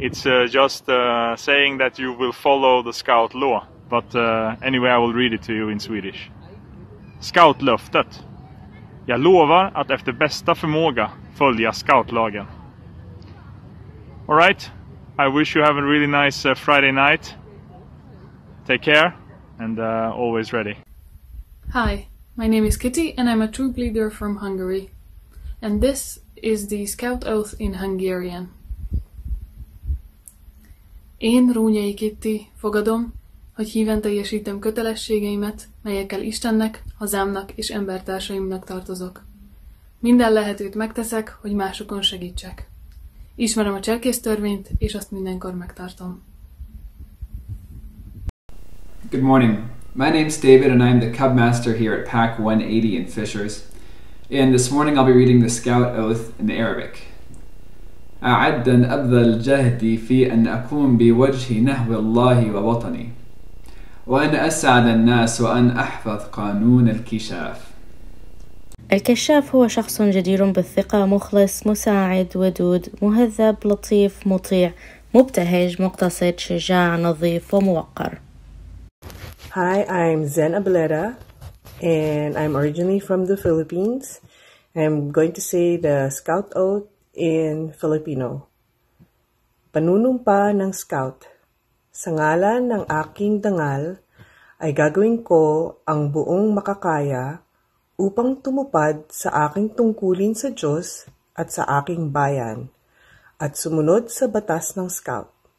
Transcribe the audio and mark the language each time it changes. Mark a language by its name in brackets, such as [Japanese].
[English] It's just saying that you will follow the Scout Law. But anyway, I will read it to you in Swedish. [Swedish] Scoutlöftet. Jag lovar att efter bästa förmåga följa scoutlagen. [English] All right. I wish you have a really nice Friday night. Take care and always ready. Hi, my name is Kitty and I'm a troop leader from Hungary. And this is the Scout Oath in Hungarian. [Hungarian] Én, Rúnyai Kitty, fogadom, hogy híven teljesítem kötelességeimet, melyekkel Istennek, hazámnak és embertársaimnak tartozok. Minden lehetőt megteszek, hogy másokon segítsek. Ismerem a cselekvés törvényt, és azt mindenkor megtartom. [English] Good morning. My name's David and I'm the Cub Master here at Pack 180 in Fishers. And this morning I'll be reading the Scout Oath in Arabic. [Arabic] أعدا أبذل جهدي في أن أقوم بوجهي نهو الله ووطني وأن أسعد الناس وأن أحفظ قانون الكشاف. الكشاف هو شخص جدير بالثقة، مخلص، مساعد، ودود، مهذب، لطيف، مطيع، مبتهج، مقتصد، شجاع، نظيف، وموقر. [English] Hi, I'm Zen Abelera. And I'm originally from the Philippines. I'm going to say the Scout Oath in Filipino. [Filipino] Panunumpa ng Scout. Sa ngalan ng aking dangal, ay gagawin ko ang buong makakaya upang tumupad sa aking tungkulin sa Diyos at sa aking bayan at sumunod sa batas ng Scout.